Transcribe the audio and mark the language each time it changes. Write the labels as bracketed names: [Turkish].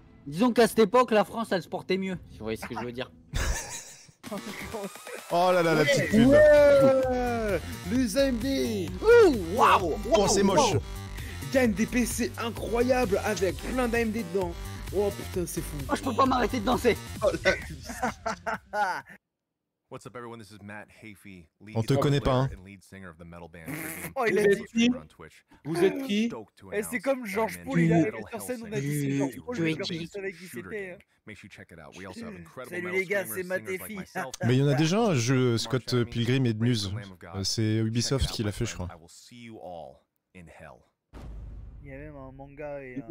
[French] Disons qu'à cette époque, la France, elle se portait mieux, si vous voyez ce que je veux dire. Oh là là, la petite pub. Ouais, l'UZMD. Ouh, waouh. Oh, c'est moche. Gagne des PC incroyables avec plein d'AMD dedans. Oh putain, c'est fou. Oh, je peux pas m'arrêter de danser. [English] What's up everyone, this is Matt Hafey, lead singer and lead singer of the metal [French] band. Oh, il a dit qui? Vous êtes qui? Et c'est comme George Paul, il a sur scène, on a dit c'est George Paul, je savais qui c'était. Salut les gars, c'est Matt Hafey. Mais il y en a déjà un jeu, Scott Pilgrim et The Muse. C'est Ubisoft qui l'a fait, je crois. Il y a même un manga et